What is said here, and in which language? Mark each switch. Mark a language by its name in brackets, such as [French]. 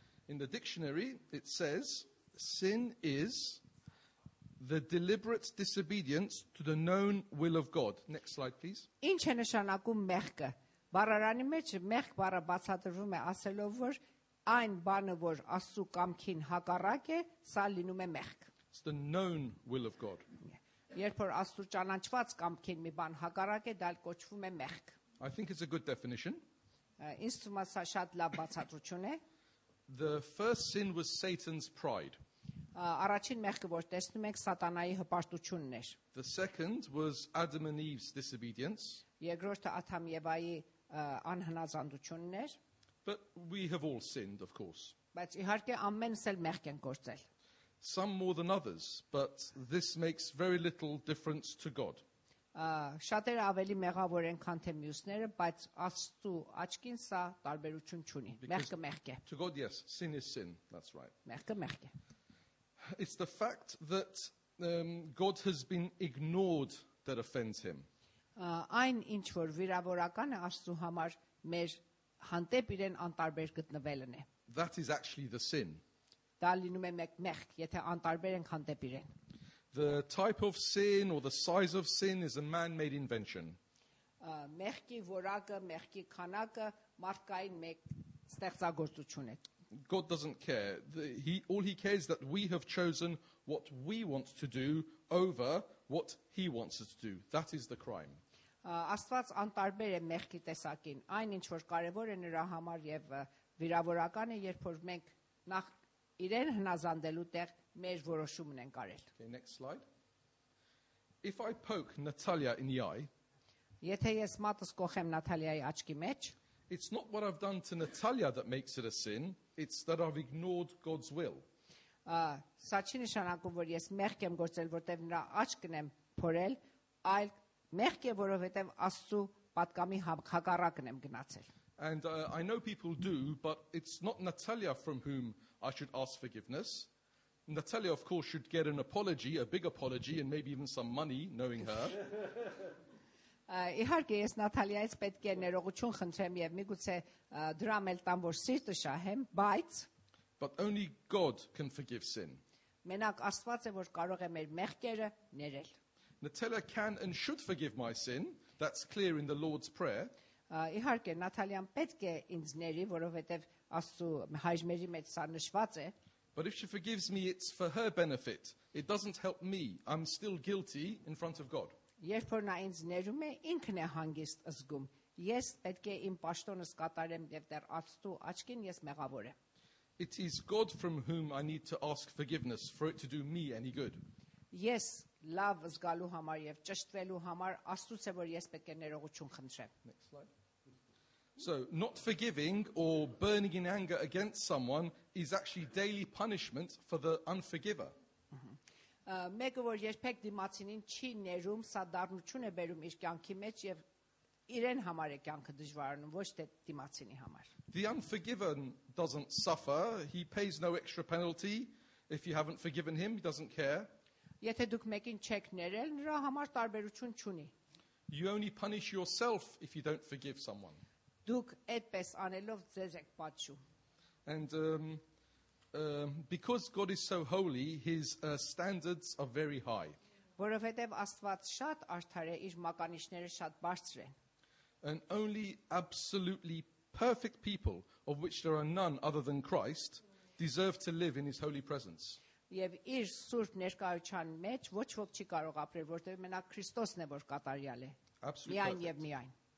[English] In the dictionary it says sin is the deliberate disobedience to the known will of God. Next slide please. [Armenian] Ինչ է նշանակում մեղքը? Բարարանի մեջ մեղք բառը բացատրվում է ասելով, որ այն բանը, որ Աստծո կամքին հակառակ է, սա լինում է մեղք։ [English] It's the known will of God. [Armenian] Երբ որ Աստծո ճանաչված կամքին մի բան հակառակ է, դա կոչվում է մեղք։ [English] I think it's a good definition. [Armenian] Ինձ թվում է սա շատ լավ բացատրություն է։ [English] The first sin was Satan's pride. [Armenian] Առաջին մեղքը, որ տեսնում ենք, Սատանայի հպարտությունն էր։ [English] The second was Adam and Eve's disobedience. [Armenian] Երկրորդը Աթամ եւ Եվայի անհնազանդությունն էր։ [English] But we have all sinned, of course. [Armenian] Բայց իհարկե ամենս էլ մեղք են գործել։ [English] Some more than others, but this makes very little difference to God. [Armenian] Շատերը ավելի մեղավոր են, քան թե մյուսները, բայց Աստծո աչքին սա տարբերություն չունի։ Մեղքը մեղք է։ [English] To God, yes, sin is sin. That's right. [Armenian] Մեղքը մեղք է։ [English] It's the fact that God has been ignored that offends him. [Armenian] Այն ինչ որ վիրավորական է Աստծո համար մեր հանդեպ իրեն անտարբեր գտնվելն է. [English] That is actually the sin. [Armenian] Դա լինում է մեկ մեղք, եթե անտարբեր ենք հանդեպ իրեն. [English] The type of sin or the size of sin is a man-made invention. [Armenian] Մեղքի որակը, մեղքի քանակը մարդկային մեկ ստեղծագործություն է. [English] God doesn't care. All he cares that we have chosen what we want to do over what he wants us to do. That is the crime. [Armenian] Աստված անտարբեր է մեղքի տեսակին. Այն ինչ որ կարևոր է նրա համար եւ վիրավորական է, երբ որ մենք նախ իրեն հնազանդելու տեղ մեր որոշումն ենք արել. [English] Okay, next slide. If I poke Natalia in the eye, [Armenian] եթե ես մատս կոխեմ Նատալիայի աչքի մեջ, [English] it's not what I've done to Natalia that makes it a sin. It's that I've ignored God's will. [Armenian] Սա չի նշանակում, որ ես մեղք եմ գործել, որտեղ նրա աչքն եմ փորել, այլ մեղք է, որովհետև Աստծո պատկամի հակառակն եմ գնացել. [English] And I know people do, but it's not Natalia from whom I should ask forgiveness. Natalia of course should get an apology, a big apology and maybe even some money knowing her. [Armenian] Իհարկե ես Նատալիայից պետք է ներողություն խնդրեմ եւ միգուցե դրամ էլ տամ, որ սիրտը շահեմ, բայց [English] But only God can forgive sin. [Armenian] Մենակ Աստված է, որ կարող է մեր մեղքերը ներել. [English] Natalia can and should forgive my sin. That's clear in the Lord's Prayer. [Armenian] Իհարկե Նատալիան պետք է ինձ ների, որովհետեւ Աստծո հայրմերի մեջ սա նշված է. [English] But if she forgives me, it's for her benefit. It doesn't help me. I'm still guilty in front of God. [Armenian] Երբ որ նա ինձ ներում է, ինքն է հանգիստ ազգում։ Ես պետք է իմ պաշտոնս կատարեմ եւ դեռ Աստծո աչքին ես մեղավոր եմ։ [English] It is God from whom I need to ask forgiveness for it to do me any good. [Armenian] Ես լավ զգալու համար եւ ճշտվելու համար Աստծուց է, որ ես պետք է ներողություն խնդրեմ։ [English] Next slide. So, not forgiving or burning in anger against someone is actually daily punishment for the unforgiver. [Armenian] Մեկը որ երբեք դիմացին չի ներում, սա դառնություն է բերում իր կյանքի մեջ եւ իրեն համար է կյանքը դժվարանում, ոչ թե դիմացինի համար։ [English] The unforgiven doesn't suffer, he pays no extra penalty. If you haven't forgiven him, he doesn't care. [Armenian] Եթե դուք մեկին չեք ներել, նրա համար տարբերություն չունի։ [English] You only punish yourself if you don't forgive someone. [Armenian] Դուք այդպես անելով ձեզ եք պատժում։ [English] And because God is so holy, his standards are very high. [Armenian] որովհետև Աստված շատ արդար է, իր մականիչները շատ բարձր են. [English] And only absolutely perfect people, of which there are none other than Christ, deserve to live in his holy presence. [Armenian] Եվ իր սուրբ ներկայության մեջ ոչ ոք չի կարող ապրել, որովհետև մենա Քրիստոսն է, որ կատարյալ է։ Միայն եւ միայն։